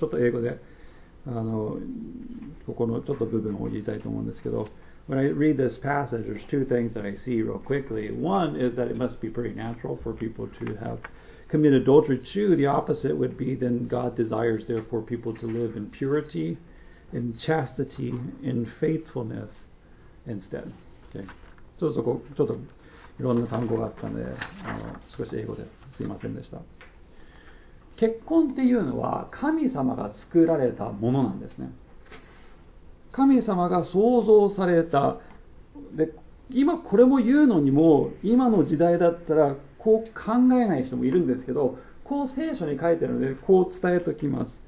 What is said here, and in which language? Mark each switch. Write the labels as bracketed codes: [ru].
[ja] ちょっと英語で。ここのちょっと部分を言いたいと思うんですけど、 [en] when I read this passage, there's two things that I see real quickly. One is that it must be pretty natural for people to have committed adultery. Two, the opposite would be then God desires, therefore, people to live in purity, in chastity, in faithfulness instead. Okay. [ja] ちょっといろんな単語があったので、少し英語ですいませんでした。結婚っていうのは神様が作られたものなんですね。神様が創造された。で、今これも言うのにも、今の時代だったらこう考えない人もいるんですけど、こう聖書に書いてあるので、こう伝えときます。